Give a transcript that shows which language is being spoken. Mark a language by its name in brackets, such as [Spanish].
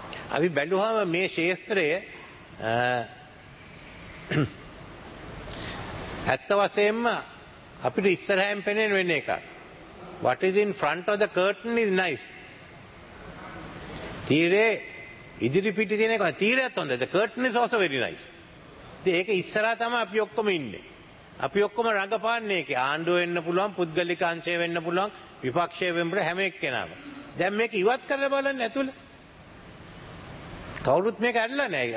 [Sinhala] අපි බැලුවම මේ ශාස්ත්‍රයේ 70 වසෙම අපිට ඉස්සරහින් පෙනෙන වෙන එක. [English] What is in front of the curtain is nice. [Sinhala] තීරේ ඉදිරි පිටි තියෙන එක තීරයත් හොඳයි. [English] The curtain is also very nice. [Sinhala] ඉතින් ඒක ඉස්සරහා තමයි අපි ඔක්කොම ඉන්නේ. අපි ඔක්කොම රඟපාන්නේ ඒකේ. ආණ්ඩුව වෙන්න පුළුවන්, පුද්ගලික අංශය වෙන්න පුළුවන්, විපක්ෂයේ වෙම්බර හැම එක්කෙනාම. දැන් මේක ඉවත් කරලා බලන්න ඇතුළ. කවුරුත් මේක ඇරලා නැහැ.